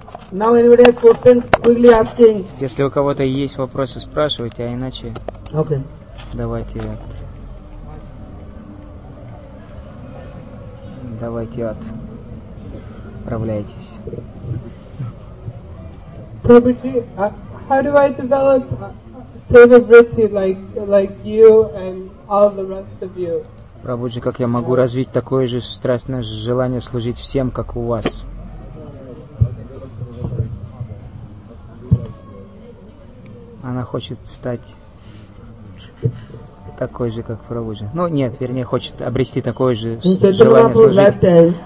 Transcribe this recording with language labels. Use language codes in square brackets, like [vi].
[en] Now anybody has question, quickly asking. [ru] Если у кого-то есть вопросы, спрашивайте, а иначе. [en] Okay. [ru] Давайте отправляйтесь. [en] Prabhuji, how do I develop seva vritti like you and all the rest of you? [ru] Prabhuji, как я могу развить такое же страстное желание служить всем, как у вас? Она хочет стать такой же, как Прабхуджи. Ну, нет, вернее, хочет обрести такое же желание служить.